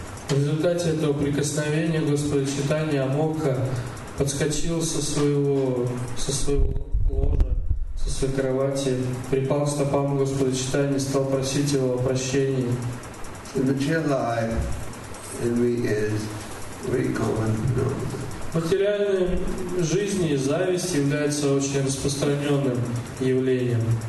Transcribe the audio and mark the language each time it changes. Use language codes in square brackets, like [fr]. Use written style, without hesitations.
[ru] В результате этого прикосновения Господа Чайтанья Амокха подскочил со своего ложа, со своей кровати, припал к стопам Господа Чайтанья, стал просить его о прощении. [en] The material life, envy is very common phenomenon. [ru] материальной жизни и зависть является очень распространенным явлением.